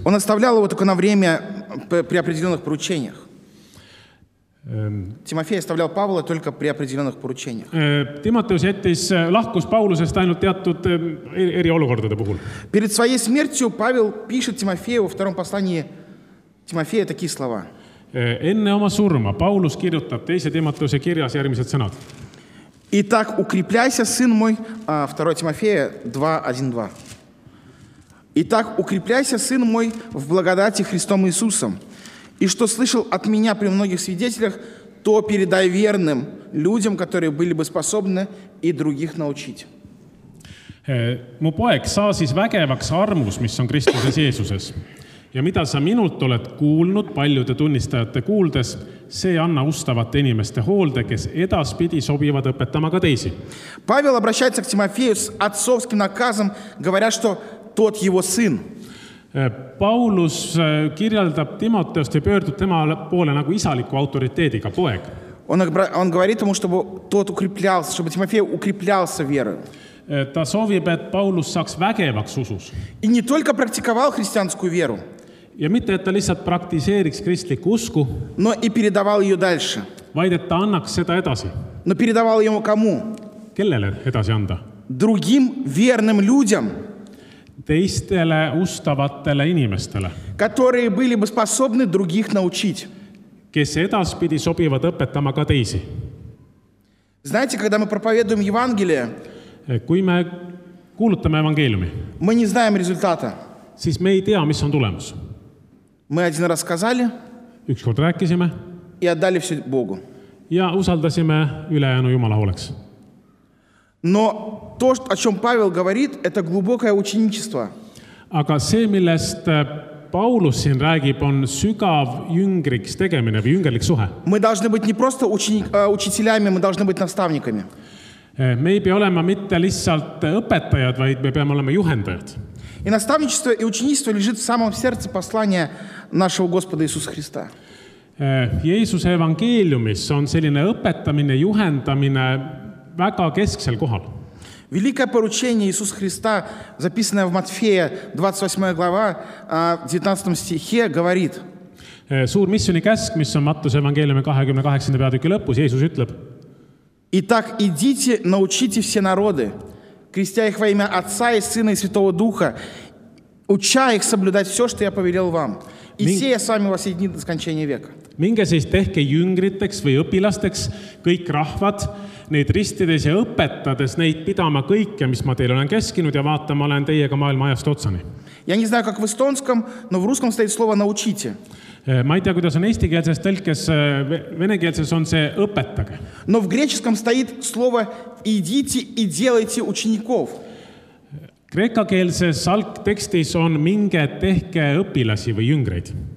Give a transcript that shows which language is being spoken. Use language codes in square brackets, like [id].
[ru] Он оставлял его только на время при определенных поручениях. Тимофей оставлял Павла только при определенных поручениях. [et] Timoteus jättis lahkus Paulusest ainult teatud eri olukordade puhul. [ru] Перед своей смертью Павел пишет Тимофею во втором послании Тимофея такие слова. [et] Enne oma surma Paulus kirjutab teise Timoteuse kirjas järgmised sõnad. [ru] Итак, укрепляйся, сын мой, 2 Тимофея 2:1-2. Итак, укрепляйся, сын мой, в благодати Христом Иисусом. И что слышал от меня при многих свидетелях, то передай верным людям, которые были бы способны и других научить. [et] Mu poeg, saa siis vägevaks armus, mis on Kristuses Jeesuses. Ja mida sa minult oled kuulnud paljude tunnistajate kuuldes, see anna ustavate inimeste hoolde, kes edaspidi sobivad õpetama ka teisi. [ru] Павел обращается к Тимофею с отцовским наказом, говоря, что тот его сын. [et] Paulus kirjeldab Timoteust ja pöördub tema poole nagu isaliku autoriteediga poeg. [ru] On говорит ему, чтобы тот укреплялся, чтобы Тимофей укреплялся верою. [et] Ta soovib, et Paulus saaks vägevaks usus. [ru] И не только практиковал христианскую веру. [et] Ja mitte, et ta lihtsalt praktiseeriks kristlik usku. [ru] Но и передавал ее дальше. [et] Vaid, et ta annaks seda edasi. [ru] Но передавал ему кому? [et] Kellele edasi anda? [ru] Другим верным людям. [et] Teistele ustavatele inimestele. [ru] Которые были бы способны других научить. [et] Kes edaspidi sobivad õpetama ka teisi. [ru] Знаете, когда мы проповедуем Евангелие, [et] kui me kuulutame evangeeliumi, [ru] мы не знаем результата. [et] Siis me ei tea, mis on tulemus. [ru] Мы один раз сказали. [et] Ükskord rääkisime. [ru] И отдали все Богу. [et] Ja usaldasime ülejäänu Jumala hooleks. [ru] Но то, о чем Павел говорит, это глубокое ученичество. [et] Aga see, millest Paulus siin räägib, on sügav jüngriks tegemine või jüngerlik suhe. [ru] Мы должны быть не просто учителями, мы должны быть наставниками. [et] Me ei pea olema mitte lihtsalt õpetajad, vaid me peame olema juhendajad. [ru] И наставничество и ученичество лежит в самом сердце послания нашего Господа Иисуса Христа. [et] Jeesuse evangeeliumis on selline õpetamine, juhendamine väga kesksel kohal. [ru] Великое поручение Иисуса Христа, записанное в Матфея 28 глава, 19 стихе, говорит. [et] Suur missioni käsk, mis on Mattuse evangeeliumi 28. peatüki lõpus, Jeesus ütleb. [ru] Итак, идите, научите все народы, крестя их во имя Отца и Сына и Святого Духа, уча их соблюдать все, что я повелел вам. И сея с вами во все дни до скончания века. [et] Minge siis tehke jüngriteks või õpilasteks kõik rahvad, neid ristides ja õpetades neid pidama kõike, mis ma teil olen keskinud ja vaata, ma olen teiega maailma ajast otsani. [ru] Я не знаю, как в эстонском, но в русском стоит слово «научите». [et] Ma ei tea, kuidas on eestikeelses tõlkes, venekeelses on see õpetage. [ru] Но в греческом стоит слово «идите и делайте учеников». [et] Kreekakeelses algtekstis on minge tehke õpilasi või jüngreid.